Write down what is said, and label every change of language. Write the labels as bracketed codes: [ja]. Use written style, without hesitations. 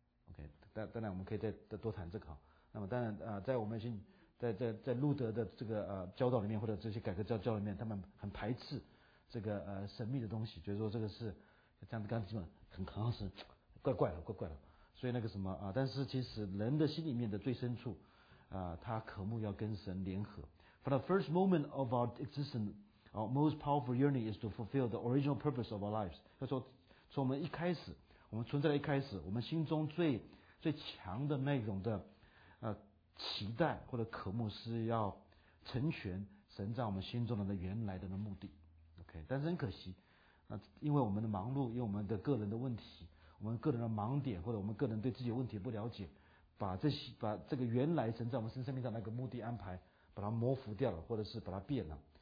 [zh] OK， 当然我们可以再多谈这个哈。那么当然在我们在路德的这个教导里面，或者这些改革教里面，他们很排斥这个神秘的东西，觉得说这个是这样子刚才基本很好像是怪怪的怪怪的，所以那个什么啊，但是其实人的心里面的最深处啊，他渴慕要跟神联合。 [en] For the first moment of our existence, our most powerful yearning is to fulfill the original purpose of our lives. [zh] 他说从我们一开始，我们存在的一开始，我们心中最强的那种的期待或者渴慕是要成全神在我们心中的原来的目的。 OK， 但是很可惜啊，因为我们的忙碌，因为我们的个人的问题，我们个人的盲点，或者我们个人对自己的问题不了解，把这个原来神在我们身生命上的那个目的安排把它模糊掉了，或者是把它变了。